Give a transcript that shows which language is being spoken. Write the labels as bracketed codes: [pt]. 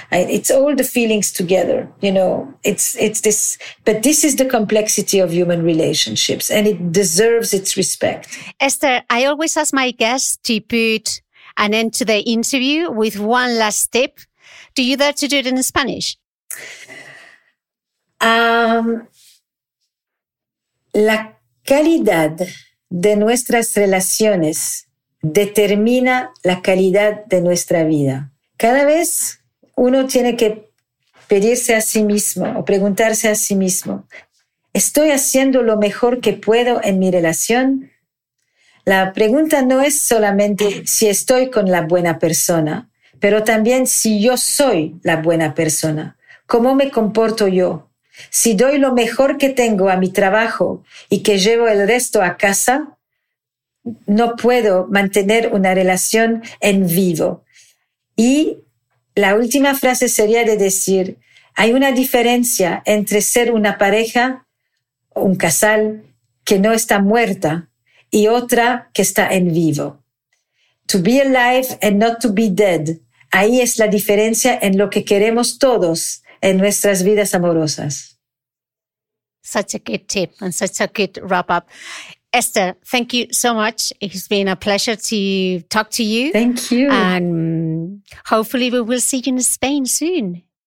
[en] It's all the feelings together, you know. It's this, but this is the complexity of human relationships, and it deserves its respect. Esther, I always ask my guests to put an end to the interview with one last tip. Do you dare to do it in Spanish? [es] La calidad de nuestras relaciones determina la calidad de nuestra vida. Cada vez uno tiene que pedirse a sí mismo o preguntarse a sí mismo, ¿estoy haciendo lo mejor que puedo en mi relación? La pregunta no es solamente si estoy con la buena persona, pero también si yo soy la buena persona. ¿Cómo me comporto yo? Si doy lo mejor que tengo a mi trabajo y que llevo el resto a casa, no puedo mantener una relación en vivo. Y la última frase sería de decir, hay una diferencia entre ser una pareja, un casal, que no está muerta, y otra que está en vivo. [en] To be alive and not to be dead. [es] Ahí es la diferencia en lo que queremos todos en nuestras vidas amorosas. [en] Such a good tip and such a good wrap up. Esther, thank you so much. It's been a pleasure to talk to you. Thank you. And hopefully we will see you in Spain soon.